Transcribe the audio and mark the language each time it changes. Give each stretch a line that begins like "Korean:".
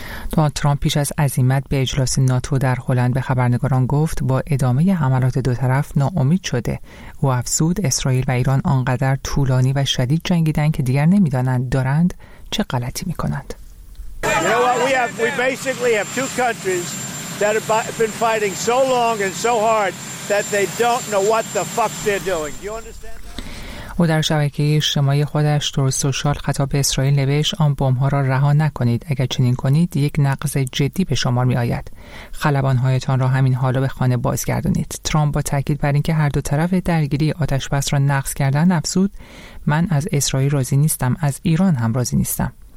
Persian: دونالد ترامپ پیش از عزیمت به اجلاس ناتو در هلند به خبرنگاران گفت با ادامه حملات دو طرف ناامید شده. او افزود اسرائیل و ایران آنقدر طولانی و شدید جنگیدن که دیگر نمی‌دانند دارند چه غلطی می‌کنند.
English: We basically have two countries that have been fighting so long and so hard that they don't know what the fuck they're doing. You understand?
Persian: او در شبکه اجتماعی خودش در سوشال خطاب اسرائیل نوشت آن بمب‌ها را رها نکنید، اگر چنین کنید یک نقض جدی به شمار می‌آید. خلبان‌هایتان را همین حالا به خانه بازگردانید. ترامپ با تأکید بر اینکه هر دو طرف درگیری آتش‌بس را نقض کردن افزود من از اسرائیل راضی نیستم، از ایران هم راضی نیستم.